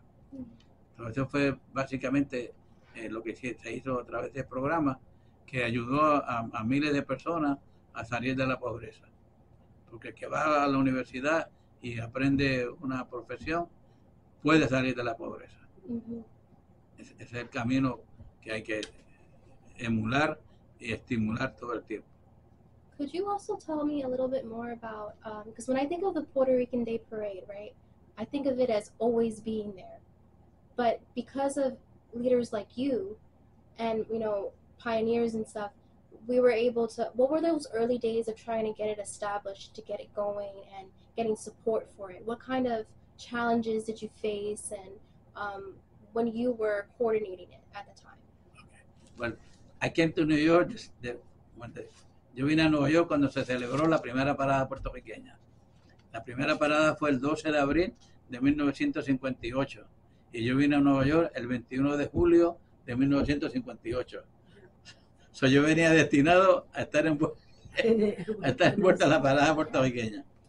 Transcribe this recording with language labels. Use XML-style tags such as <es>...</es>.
<es>Entonces, eso fue básicamente lo que se hizo a través de ese programa, que ayudó a miles de personas a salir de la pobreza. Porque el que va a la universidad y aprende una profesión puede salir de la pobreza. Ese es el camino que hay que emular y estimular todo el tiempo.</es> <en>Could you also tell me a little bit more about, because when I think of the Puerto Rican Day Parade, right, I think of it as always being there. But because of leaders like you and, you know, pioneers and stuff, we were able to, what were those early days of trying to get it established, to get it going and getting support for it? What kind of challenges did you face and when you were coordinating it at the time? Okay. Well, I came to New York,</en> <es>yo vine a Nueva York cuando se celebró la primera parada puertorriqueña. La primera parada fue el 12 de abril de 1958. Y yo vine a Nueva York el 21 de julio de 1958. So yo venía destinado a estar envuelto a la parada puertorriqueña.</es>